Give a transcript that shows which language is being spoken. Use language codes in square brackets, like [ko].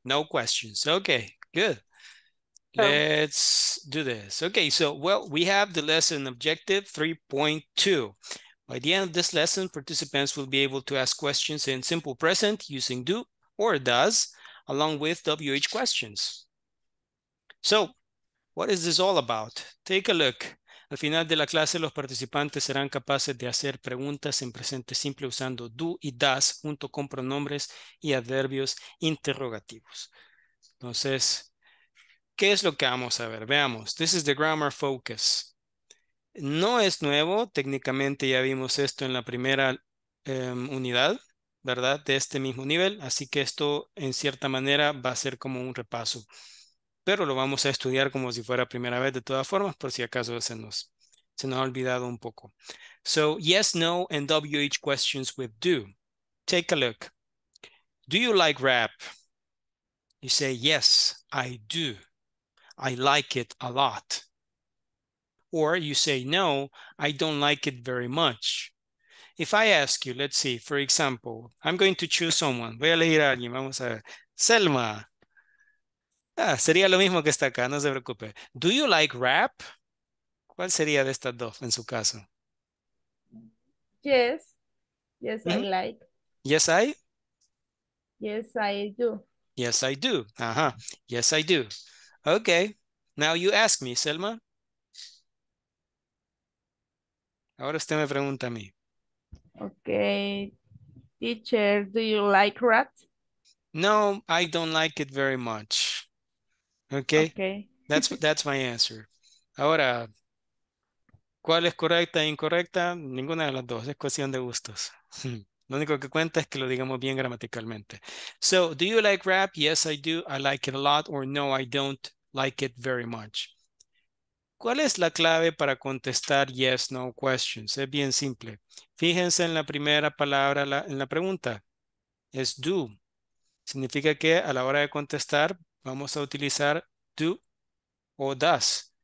[en] No questions. Okay, good. So, let's do this. Okay, so, well, we have the lesson objective 3.2. By the end of this lesson, participants will be able to ask questions in simple present using do or does, along with WH questions. So, What is this all about? Take a look. [es] Al final de la clase, los participantes serán capaces de hacer preguntas en presente simple usando do y does junto con pronombres y adverbios interrogativos. Entonces, ¿qué es lo que vamos a ver? Veamos. [en] This is the grammar focus. [es] No es nuevo. Técnicamente ya vimos esto en la primera unidad, ¿verdad? De este mismo nivel. Así que esto, en cierta manera, va a ser como un repaso. Pero lo vamos a estudiar como si fuera primera vez de todas formas, por si acaso se nos ha olvidado un poco. [en] So, yes, no, and WH questions with do. Take a look. Do you like rap? You say, yes, I do. I like it a lot. Or you say, no, I don't like it very much. If I ask you, let's see, for example, I'm going to choose someone. [es] Voy a elegir a alguien, vamos a ver. Selma. Ah, sería lo mismo que está acá, no se preocupe. [en] Do you like rap? [es] ¿Cuál sería de estas dos en su caso? [en] Yes. Yes, I like. Yes, I? Yes, I do. Yes, I do. Ajá. Yes, I do. Okay. Now you ask me, Selma. [es] Ahora usted me pregunta a mí. [en] Okay. Teacher, do you like rap? No, I don't like it very much. Okay. That's my answer. [es] Ahora, ¿cuál es correcta e incorrecta? Ninguna de las dos. Es cuestión de gustos. Lo único que cuenta es que lo digamos bien gramaticalmente. [en] So, do you like rap? Yes, I do. I like it a lot. Or no, I don't like it very much. [es] ¿Cuál es la clave para contestar [en] yes, no questions? [es] Es bien simple. Fíjense en la primera palabra, en la pregunta. Es do. Significa que a la hora de contestar, vamos a utilizar do o does.